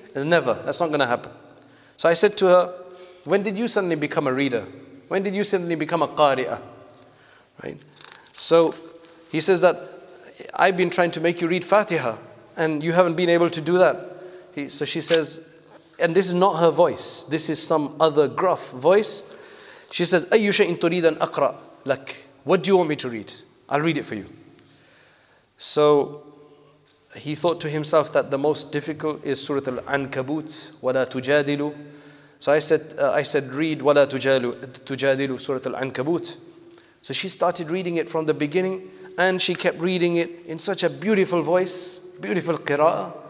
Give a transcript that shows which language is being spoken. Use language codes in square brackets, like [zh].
[en] Never, that's not going to happen. So I said to her, when did you suddenly become a reader? When did you suddenly become a qari'ah? Right? So he says that, I've been trying to make you read Fatiha, and you haven't been able to do that. So she says, and this is not her voice. This is some other gruff voice. She says, [ar] أَيُّ شَيْءٍ تُرِيدًا أَقْرَأ لَكَ. [en] What do you want me to read? I'll read it for you. So he thought to himself that the most difficult is Surah Al-Ankabut, [ar] وَلَا تُجَادِلُ. [en] So I said, read [ar] وَلَا تُجَادِلُ [en] Surah Al-Ankabut. So she started reading it from the beginning, and she kept reading it in such a beautiful voice. Beautiful qira'ah.